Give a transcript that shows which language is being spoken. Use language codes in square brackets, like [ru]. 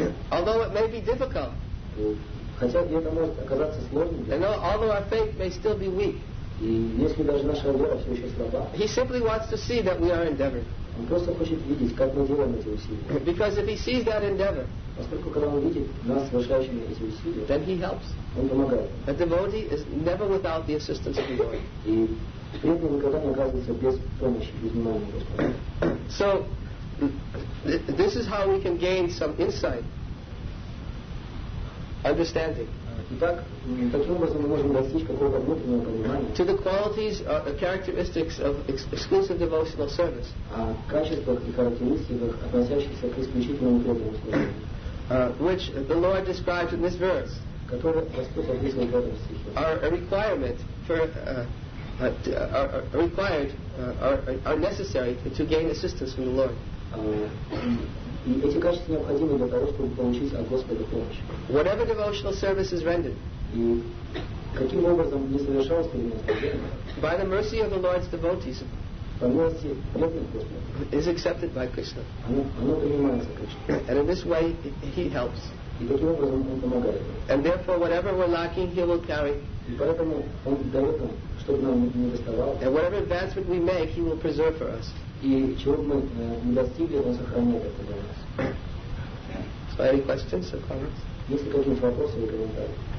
[en] Although it may be difficult. And although our faith may still be weak. [ru] И если даже наша вера все еще слаба, [en] he simply wants to see that we are endeavoring. [ru] Он просто хочет видеть, как мы делаем эти усилия. [en] Because if he sees that endeavor, [ru] поскольку когда он видит нас совершающими эти усилия, [en] then he helps. [ru] Он помогает. [en] A devotee is never without the assistance of the Lord. [ru] И преданный никогда не оказывается без помощи, без внимания Господа. [en] So this is how we can gain some insight, understanding. [ru] Итак, таким образом мы можем достичь какого-то внутреннего понимания. [en] To the qualities, the characteristics of exclusive devotional service. [ru] О качествах и характеристиках, относящихся к исключительному преданному служению. [en] Which the Lord describes in this verse. [ru] Которые Господь описывает в этом стихе. [en] Are a requirement for are necessary to gain assistance from the Lord. [ru] И эти качества необходимы для того, чтобы получить от Господа помощь. [en] Whatever devotional service is rendered, [ru] и каким образом не совершалось перед нас, [en] by the mercy of the Lord's devotees, [ru] по милости преданных Господа, [en] is accepted by Krishna. [ru] Оно принимается Кришной. [en] And in this way, he helps. [ru] И таким образом он помогает. [en] And therefore, whatever we're lacking, he will carry. [ru] И поэтому он дает нам, чтобы нам не доставало. [en] And whatever advancement we make, he will preserve for us. [ru] И чего бы мы не достигли, он сохраняет это для нас. [en] So any questions or comments? [ru] Если какие-то вопросы или комментарии?